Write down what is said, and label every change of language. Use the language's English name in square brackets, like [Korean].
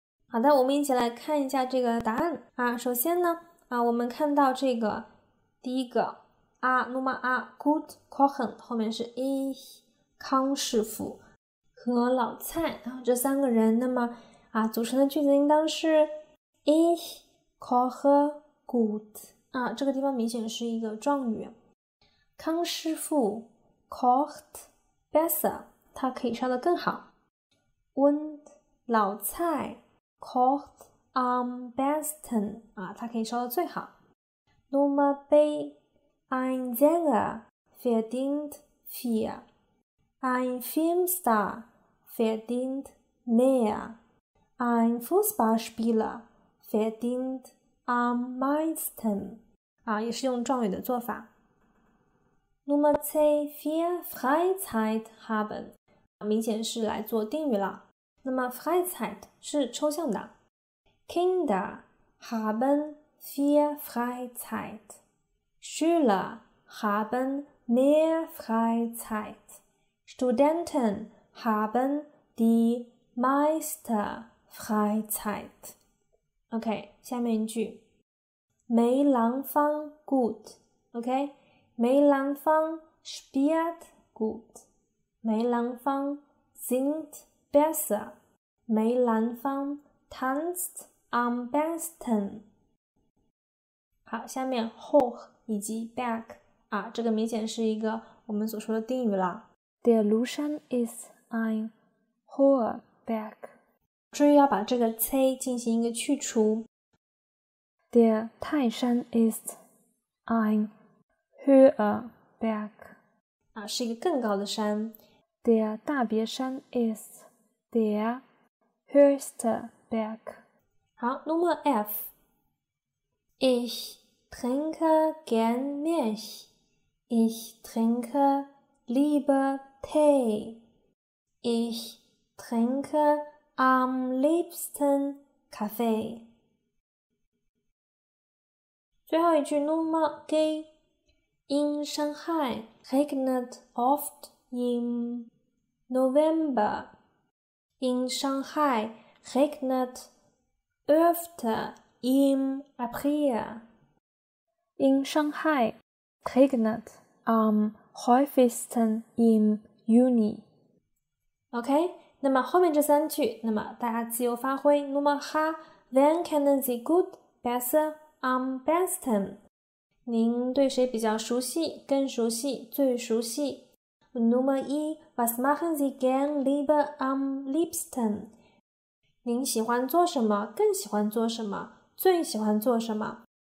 [Chinese] 好的，我们一起来看一下这个答案啊。首先呢我们看到这个第一个啊 [German] Nummer A gut kochen [Chinese] 后面是 ich 康师傅和老蔡，然后这三个人，那么组成的句子应当是 [German] ich koche gut [Chinese] 啊，这个地方明显是一个状语。康师傅 [German] kocht besser， [Chinese] 他可以烧得更好。 [German] und [Chinese] 老蔡 [German] kocht am besten [Chinese] 啊，它可以烧得最好。 [German] Nummer B ein Sänger verdient viel， ein Filmstar verdient mehr， ein Fußballspieler verdient am meisten 啊， [Chinese] 也是用状语的做法。 [German] Nummer C viel Freizeit haben， [Chinese] 明显是来做定语了。那么 Freizeit 是抽象的。 [German] Kinder haben viel Freizeit. Schüler haben mehr Freizeit. Studenten haben die meiste Freizeit. [Chinese] OK， 下面一句。梅兰芳 gut。 [German] OK， 梅兰芳 spielt gut。梅兰芳 singt besser。 梅兰芳 tanzt am besten。 [Chinese] 好，下面 hoch 以及 back 啊，这个明显是一个我们所说的定语了。 [German] Der Luschen ist ein hoher Berg， [Chinese] 注意要把这个 c 进行一个去除。 [German] Der Taishan ist ein hoher Berg [Chinese] 啊，是一个更高的山。 [German] Der Dabiesan ist der höchste Berg。 [Chinese] 好 [German] ,Nummer F. Ich trinke gern Milch. Ich trinke lieber Tee. Ich trinke am liebsten Kaffee. [Chinese] 最后一句 , [German] Nummer G. In Shanghai regnet oft im November. In Shanghai regnet öfter im April. In Shanghai regnet am häufigsten im Juni. [Chinese] OK， 那么后面这三句，那么大家自由发挥。 [German] Nummer H， wen kennen Sie gut, besser, am besten？ [Chinese] 您对谁比较熟悉？更熟悉？最熟悉 [German] ？Nummer E， was machen Sie gern lieber am liebsten？ [Chinese] 您喜欢做什么？更喜欢做什么？最喜欢做什么？